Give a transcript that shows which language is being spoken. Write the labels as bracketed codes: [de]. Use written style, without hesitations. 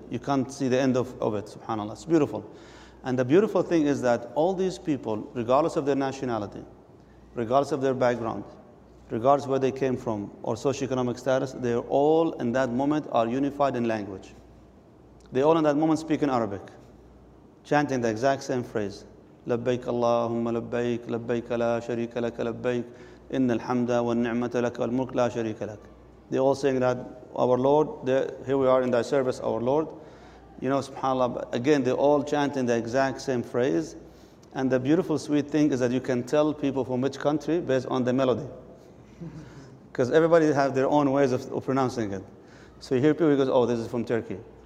[en] You can't see the end of it, SubhanAllah. It's beautiful. And the beautiful thing is that all these people, regardless of their nationality, regardless of their background, regardless where they came from or socioeconomic status, they are all in that moment are unified in language. They all in that moment speak in Arabic, chanting the exact same phrase. [ar] لبيك اللهم لبيك لبيك لا شريك لك لبيك إن الحمد والنعمة لك والملك لا شريك لك. [en] They all saying that, our Lord, here we are in thy service, our Lord. You know, SubhanAllah, again, they all chanting the exact same phrase. And the beautiful, sweet thing is that you can tell people from which country based on the melody. Because everybody have their own ways of pronouncing it. So you hear people, he goes, oh, this is from Turkey.